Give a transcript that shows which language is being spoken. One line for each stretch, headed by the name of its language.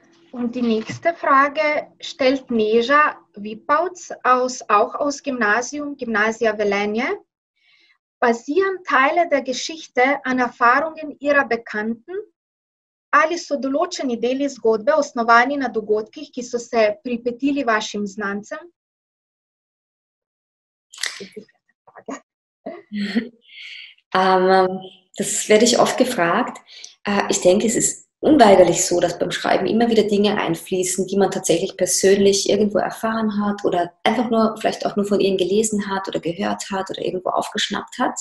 German: Und die nächste Frage stellt Neža Vipavc aus Gymnasia Velenje. Basieren Teile der Geschichte an Erfahrungen ihrer Bekannten?
Slovenian: Ali so določeni deli zgodbe osnovani na dogodkih, ki so se pripetili vašim znancem?
German: Das werde ich oft gefragt. Ich denke, es ist unweigerlich so, dass beim Schreiben immer wieder Dinge einfließen, die man tatsächlich persönlich irgendwo erfahren hat oder einfach nur vielleicht auch nur von ihnen gelesen hat oder gehört hat oder irgendwo aufgeschnappt hat.